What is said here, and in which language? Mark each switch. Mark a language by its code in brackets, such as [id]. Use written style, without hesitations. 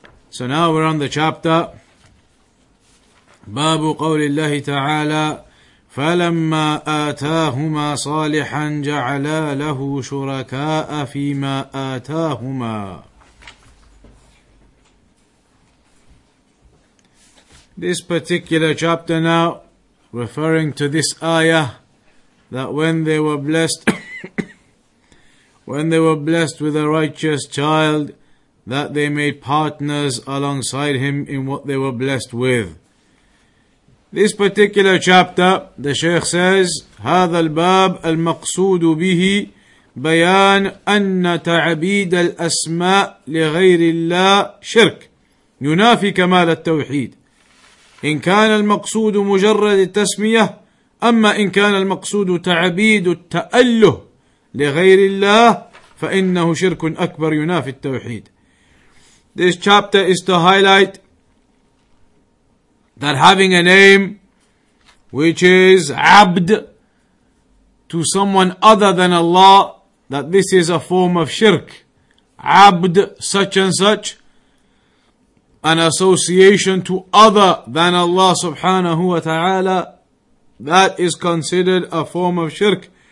[en] So now we're on the chapter [ar] باب قول الله تعالى فَلَمَّا آتَاهُمَا صَالِحًا جَعَلَا لَهُ شُرَكَاءَ فِي مَا آتَاهُمَا. [en] This particular chapter now, referring to this ayah, that when they were blessed, when they were blessed with a righteous child, that they made partners alongside him in what they were blessed with. This particular chapter, the Shaykh says, [ar] هذا الباب المقصود به بيان أن تعبيد الأسماء لغير الله شرك ينافي كمال التوحيد إن كان المقصود مجرد التسمية أما إن كان المقصود تعبيد التأله لغير الله فإنه شرك أكبر ينافي التوحيد. [en] This chapter is to highlight that having a name which is abd to someone other than Allah, that this is a form of shirk. Abd such and such, an association to other than Allah subhanahu wa ta'ala, that is considered a form of shirk.